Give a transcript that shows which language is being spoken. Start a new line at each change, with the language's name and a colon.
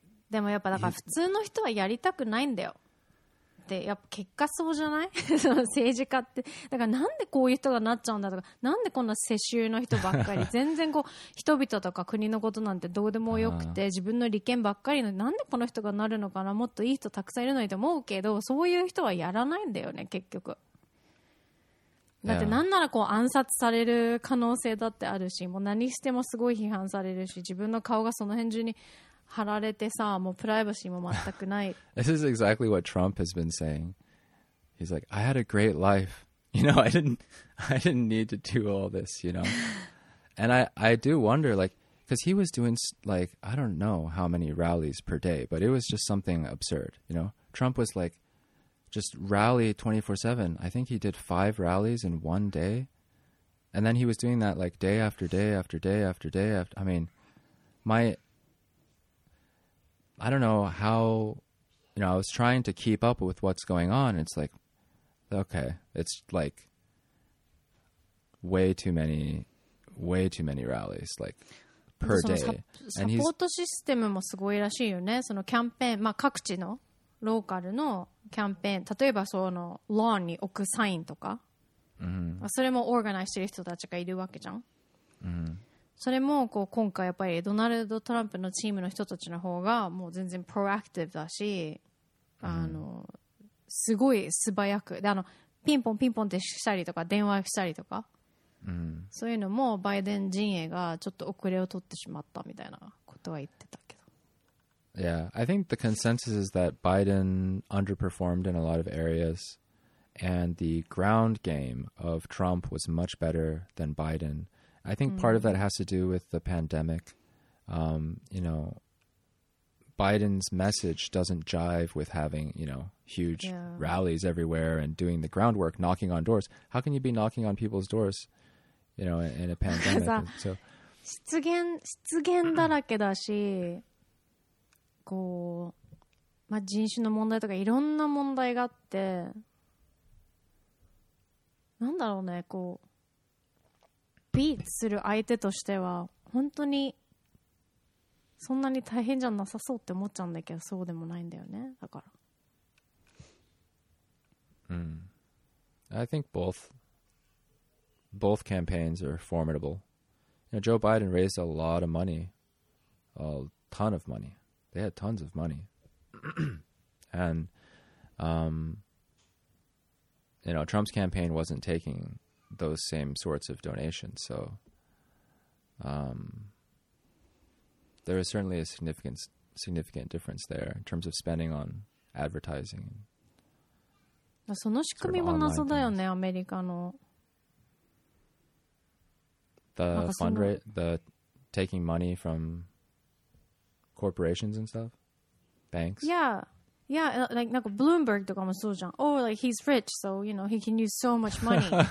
Japanese: でもやっぱだから普通の人はやりたくないんだよでやっぱ結果そうじゃないその政治家ってだからなんでこういう人がなっちゃうんだとかなんでこんな世襲の人ばっかり全然こう人々とか国のことなんてどうでもよくて自分の利権ばっかりのなんでこの人がなるのかなもっといい人たくさんいるのにと思うけどそういう人はやらないんだよね結局だってなんならこう暗殺される可能性だってあるしもう何してもすごい批判されるし自分の顔がその辺中に貼られてさもうプライバシーも全くない
English: This is exactly what Trump has been saying. He's like, I had a great life. You know, I didn't need to do all this, you know. And I do wonder, like, because he was doing, like, I don't know how many rallies per day, but it was just something absurd, you know. Trump was like,just rally 24/7. I think he did 5 rallies in one day. And then he was doing that like day after day after day after day. I mean, I don't know how, you know, I was trying to keep up with what's going on. It's like, okay, it's like way too many rallies. Like,per day. And he's,
Japanese: サポートシステムもすごいらしいよね。そのキャンペーン、まあ各地の。ローカルのキャンペーン例えばそのローンに置くサインとか、 mm-hmm. それもオーガナイズしてる人たちがいるわけじゃん、 mm-hmm. それもこう今回やっぱりドナルド・トランプのチームの人たちの方がもう全然プロアクティブだし、mm-hmm. すごい素早くでピンポンピンポンってしたりとか電話したりとか、 mm-hmm. そういうのもバイデン陣営がちょっと遅れを取ってしまったみたいなことは言ってたけど
English: Yeah, I think the consensus is that Biden underperformed in a lot of areas and the ground game of Trump was much better than Biden. I think part of that has to do with the pandemic. You know, Biden's message doesn't jive with having, you know, huge rallies everywhere and doing the groundwork, knocking on doors. How can you be knocking on people's doors, you know, in a pandemic? So,
Japanese: 出現だらけだし、こう、まあ、人種の問題とかいろんな問題があって、なんだろうね、こうビーツする相手としては本当にそんなに大変じゃなさそうって思っちゃうんだけど、そうでもないんだよね。だから、
English: I think both campaigns are formidable. You know, Joe Biden raised a lot of money, a ton of money. They had tons of money. And, you know, Trump's campaign wasn't taking those same sorts of donations. So, there is certainly a significant difference there in terms of spending on advertising.
Japanese: その仕組みも謎だよね、アメリカの。
English: The fundraise, the taking money from corporations and stuff? Banks? Yeah. Yeah, like,
Japanese: なんか Bloomberg とかもそうじゃん。
English: Oh, like, he's rich, so, you know, he can use so much money.